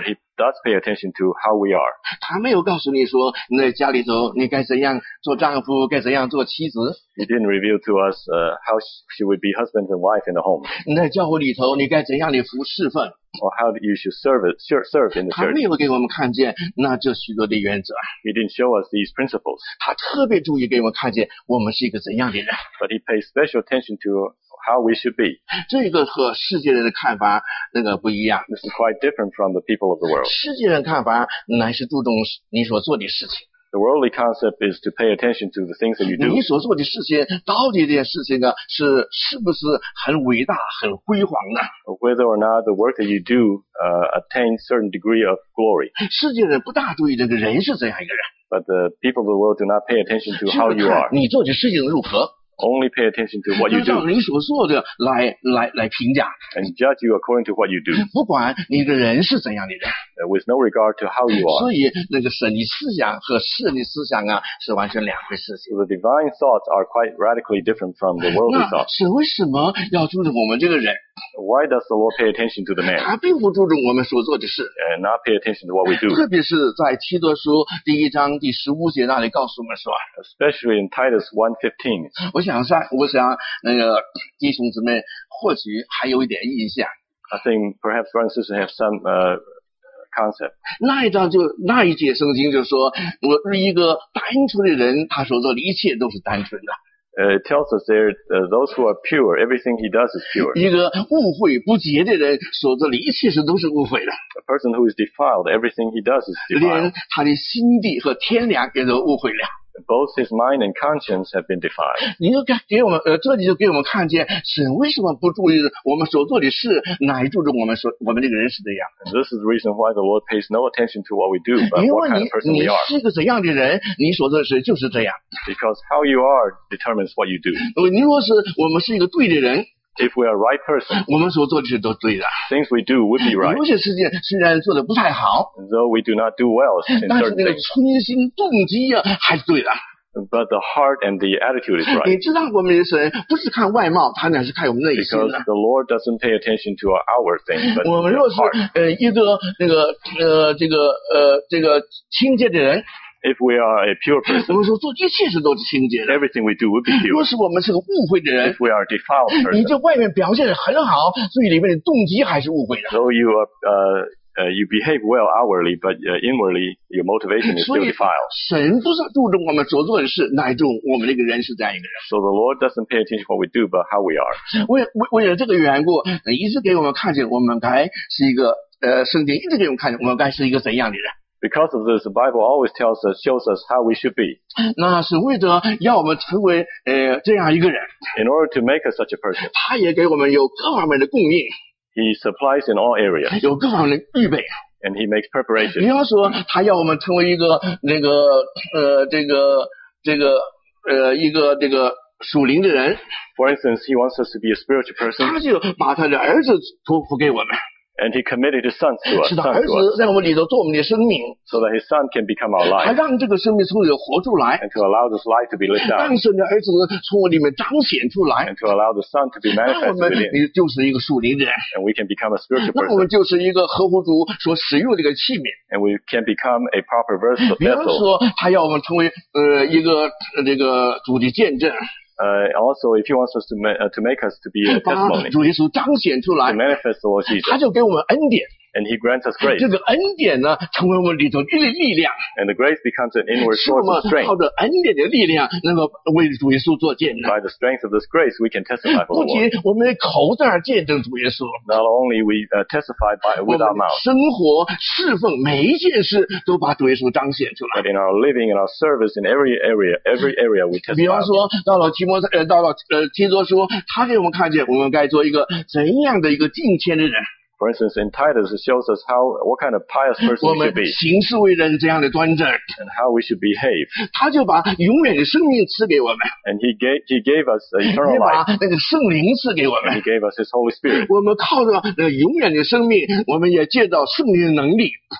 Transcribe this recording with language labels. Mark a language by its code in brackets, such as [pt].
[en] But he does pay attention to how we are. [zh] 他没有告诉你说你在家里头你该怎样做丈夫，该怎样做妻子。 [en] He didn't reveal to us how should we be husband and wife in the home. [zh] 你在教会里头你该怎样的服侍奉。 [en] Or how you should serve in the church. [zh] 他没有给我们看见那这许多的原则。 [en] He didn't show us these principles. [zh] 他特别注意给我们看见我们是一个怎样的人。 [en] But he pays special attention to how we should be. [zh] 这个和世界人的看法那个不一样。 [en] This is quite different from the people of the world. [zh] 世界人看法乃是注重你所做的事情。 [en] The worldly concept is to pay attention to the things that you do. [zh] 你所做的事情到底这件事情呢是不是很伟大很辉煌呢？ [en] Whether or not the work that you do attain certain degree of glory. [zh] 世界人不大注意这个人是怎样一个人。 [en] But the people of the world do not pay attention to how you are. [zh] 你做的事情如何。 [en] Only pay attention to what you do. [zh] 按照你所做的来评价。 [en] And judge you according to what you do. [zh] 不管你的人是怎样的人。 [en] With no regard to how you are. [zh] 所以那个神的思想和世人的思想啊是完全两回事情。 [en] The divine thoughts are quite radically different from the worldly thoughts. [zh] 神为什么要注重我们这个人？ [en] Why does the Lord pay attention to the man? [zh] 他并不注重我们所做的事。 [en] And not pay attention to what we do. [zh] 特别是在提多书第一章第十五节那里告诉我们说。 [en] Especially in Titus 1:15. [zh] 我想那个弟兄姊妹或许还有一点印象。 [en] I think perhaps brothers and sisters have some concept. [zh] 那一节圣经就说，我是一个单纯的人，他所做的一切都是单纯的。 [en] It tells us there those who are pure, everything he does is pure. [zh] 一个污秽不洁的人所做的一切都是污秽的。 [en] A person who is defiled, everything he does is defiled. [zh] 连他的心地和天良也都污秽了。 [en] both his mind and conscience have been defiled. [zh] 这里就给我们看见 神为什么不注意我们所做的事, 乃注重我们这个人是怎样的。 [en] And this is the reason why the Lord pays no attention to what we do, but what kind of person we are. [zh] 你是个怎样的人, 你所做的事就是这样。 [en] Because how you are determines what you do. [zh] 如果我们是一个对的人, [en] if we are a right person, things we do would be right. [zh] 有些事情虽然做得不太好, [en] though we do not do well in certain things. [zh] 但是那个存心动机啊, [en] but the heart and the attitude is right. [zh] 你知道我们的神不是看外貌, 他乃是看我们内心的。 [en] Because the Lord doesn't pay attention to our outward things, but [zh] 我们若是, [en] our heart. [zh] 一个清洁的人, [en] if we are a pure person, everything we do would be pure. [zh] 若是我们是个误会的人, [en] if we are a defiled person, [zh] 你就外面表现得很好, 所以里面的动机还是误会的。 [en] So you are, you behave well outwardly, but inwardly your motivation is still defiled. [zh] 神不是注重我们所做的事, 乃重我们这个人是这样一个人。 [en] So the Lord doesn't pay attention to what we do, but how we are. [zh] 为了这个缘故, 一直给我们看见我们该是一个, 圣经一直给我们看见, 我们该是一个怎样的人。 [en] Because of this, the Bible always tells us, shows us how we should be. [zh] 那是为着要我们成为, 这样一个人, [en] in order to make us such a person, [zh] 他也给我们有各方面的供应, [en] he supplies in all areas, [zh] 有各方面的预备, [en] and he makes preparation. [zh] 比方说他要我们成为一个, 那个, 属灵的人, [en] for instance, he wants us to be a spiritual person. [zh] 他就把他的儿子托付给我们, [en] and he committed his sons to us. [zh] 是的，儿子在我们里头做我们的生命, [en] so that his son can become our life. [zh] 还让这个生命从里活出来, [en] and to allow this life to be lived out. [zh] 让神的儿子从我里面彰显出来, [en] and to allow the son to be manifested within. [zh] 那我们就是一个属灵的人, [en] and we can become a spiritual person. [zh] 那我们就是一个合乎主所使用的一个器皿, [en] and we can become a proper vessel. [zh] 比方说他要我们成为, 一个主的见证, [en] Also, if he wants us to make us to be a testimony, to manifest the Lord Jesus, [zh] 他就给我们恩典, [en] and he grants us grace. [zh] 这个恩典呢, 成为我们里头的力量, [en] and the grace becomes an inward source of strength. [zh] 靠着恩典的力量, [en] by the strength of this grace, we can testify for the Lord. Not only we testify by with our mouth, [zh] 生活, [en] but in our living, in our service, in every area we testify. [zh] 比方说到了提摩太书, 他给我们看见, 我们该做一个怎样的一个敬虔的人。 [en] For instance, in Titus, it shows us how what kind of pious person we should be, and how we should behave. He gave us eternal life. And he gave us his Holy Spirit.